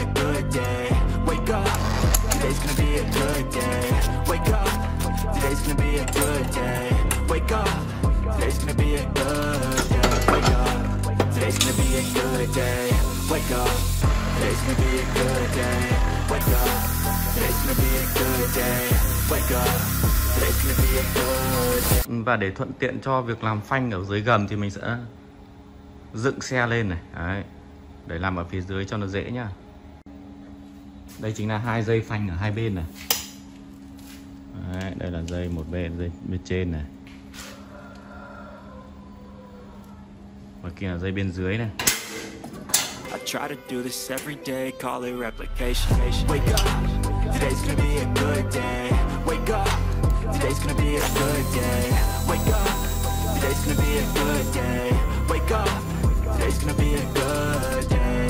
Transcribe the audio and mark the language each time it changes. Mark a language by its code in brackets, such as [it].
[en] Today's gonna be a good day. Wake up. Today's gonna be a good day. Wake up. wake up. Today's gonna be a good day. Wake up. Today's gonna be a good day. Wake up. Today's gonna be a good day. Wake up. Today's gonna be a good day. Wake up. Today's gonna be a good day. [vi] Và để thuận tiện cho việc làm phanh ở dưới gầm thì mình sẽ dựng xe lên này. Đấy. Để làm ở phía dưới cho nó dễ nhá. Đây chính là hai dây phanh ở hai bên này. Đấy, đây là dây một bên, dây bên trên này. Và kia là dây bên dưới này. [en] I try to do this every day, call it replication. Wake up. Today's gonna be a good day. Wake up. Today's gonna be a good day. Wake up. Today's gonna be a good day. Wake up. Today's gonna be a good day.